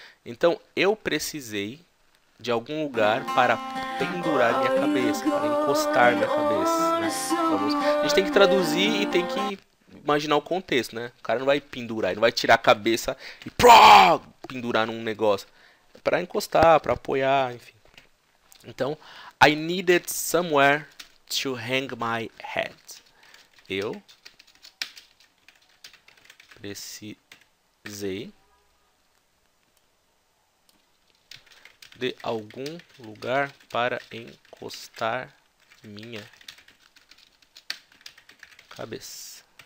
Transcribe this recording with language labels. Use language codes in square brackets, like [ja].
[pt] Então eu precisei de algum lugar para pendurar minha cabeça, para encostar minha cabeça, né? Vamos. A gente tem que traduzir e tem que imaginar o contexto, né? O cara não vai pendurar, ele não vai tirar a cabeça e pró, pendurar num negócio. É para encostar, para apoiar, enfim. Então, [en] I needed somewhere to hang my head. [pt] Eu precisei de algum lugar para encostar minha cabeça.